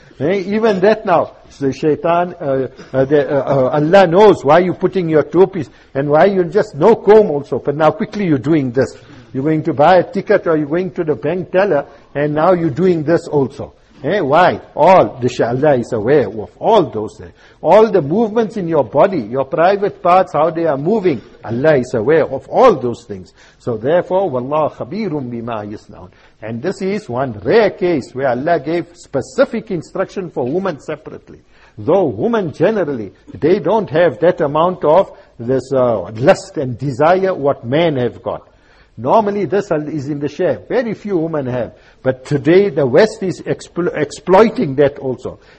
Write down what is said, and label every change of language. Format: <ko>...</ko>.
<en>Even that now, the shaitan, Allah knows why you're putting your topis, and why you just no comb also, but now quickly you're doing this. You're going to buy a ticket or you're going to the bank teller, and now you're doing this also. Why? All, Allah is aware of all those things. All the movements in your body, your private parts, how they are moving, Allah is aware of all those things. So therefore,</en> <ar>وَاللَّهُ خَبِيرٌ بِمَا يَسْنَعُونَ.</ar> <en>And this is one rare case where Allah gave specific instruction for women separately. Though women generally, they don't have that amount of this lust and desire what men have got. Normally this is in the share. Very few women have. But today the West is exploiting that also.</en>